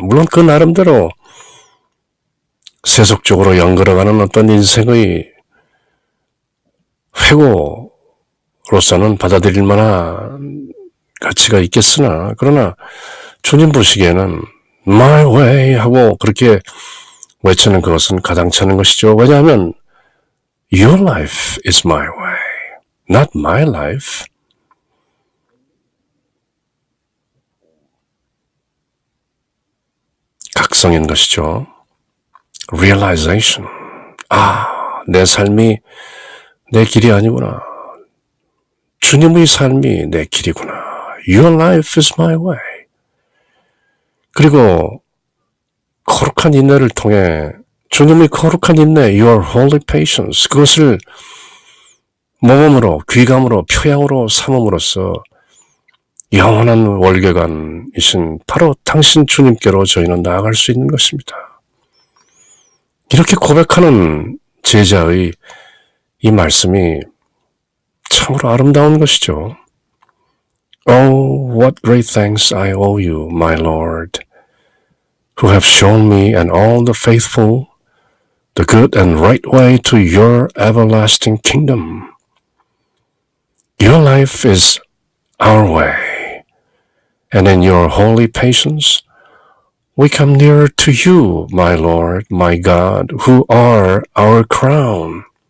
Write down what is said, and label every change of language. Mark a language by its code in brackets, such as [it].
[ko] 물론 그 나름대로 세속적으로 연결해가는 어떤 인생의 회고로서는 받아들일 만한 가치가 있겠으나, 그러나 주님 보시기에는 [en] My way [ko] 하고 그렇게 외치는 것은 가당치는 것이죠. 왜냐하면 [en] Your life is my way, not my life. [ko] 각성인 것이죠. [en] Realization. [ko] 아, 내 삶이 내 길이 아니구나. 주님의 삶이 내 길이구나. [en] Your life is my way. [ko] 그리고 거룩한 인내를 통해 주님의 거룩한 인내, [en] Your holy patience, [ko] 그것을 모범으로, 귀감으로, 표양으로 삼음으로써 영원한 월계관이신 바로 당신 주님께로 저희는 나아갈 수 있는 것입니다. 이렇게 고백하는 제자의 이 말씀이 참으로 아름다운 것이죠. [en] Oh, what great thanks I owe you, my Lord, who have shown me and all the faithful the good and right way to your everlasting kingdom. Your life is our way. And in your holy patience, we come nearer to you, my Lord, my God, who are our crown.